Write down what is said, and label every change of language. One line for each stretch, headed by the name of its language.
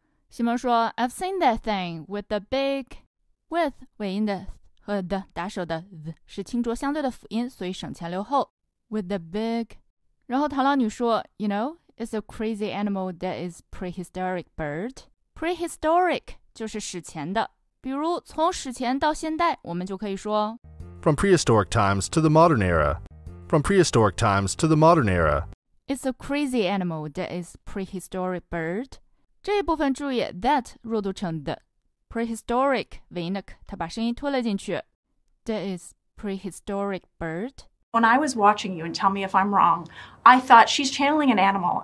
Chinese: 西蒙说
English: I've seen that thing with the big.
Chinese: With, 尾音的 th, 和 the, 打手的 th, 是清浊相对的辅音所以省前留后。
English: With the big.
Chinese: 然后螳螂女说
English: You know,It's a crazy animal that is prehistoric bird.
Chinese: Prehistoric 就是史前的。比如从史前到现代我们就可以说
English: From prehistoric times to the modern era. From prehistoric times to the modern era. It's a crazy animal that is prehistoric bird.
Chinese: 这一部分注意 that 弱读成 the. Prehistoric 尾音的 k 它把声音拖了进去。
English: That is prehistoric bird. When I was watching you, and tell me if I'm wrong, I thought she's channeling an animal.